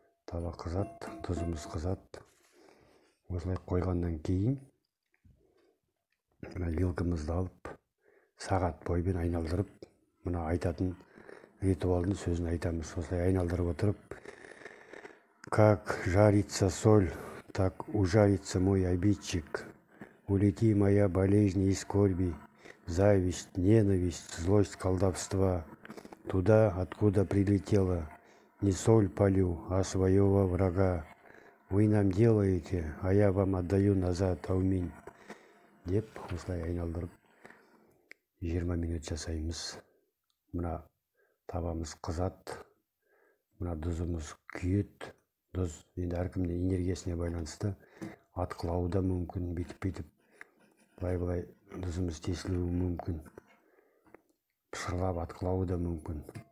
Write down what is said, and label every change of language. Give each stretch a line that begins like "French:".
Kazakh: Таба қызат, дұзымыз қызат. Осылай қойғаннан кейін вилкамызды алып, сағат бойымен айналдырып, мұна айтатын ритуалдың сөзін айтамыз, осылай айналдырып отырып.
Russian: Как жарится соль, так ужарится мой обидчик. Улети моя болезнь и скорби, зависть, ненависть, злость, колдовства. Туда, откуда прилетела, не соль палю, а своего врага. Вы нам делаете, а я вам отдаю назад, аминь.
Kazakh: Деп, осылай айналдырып, 20 минут жасаймыз. Мына табамыз қызат, мына дұзымыз күйет. Дұз енді әркімнің энергиясына байланысты атқылауы да мүмкін, бүйтіп-бүйтіп былай-былай дұзымыз тесілуі мүмкін, пышырлап атқылауы да мүмкін.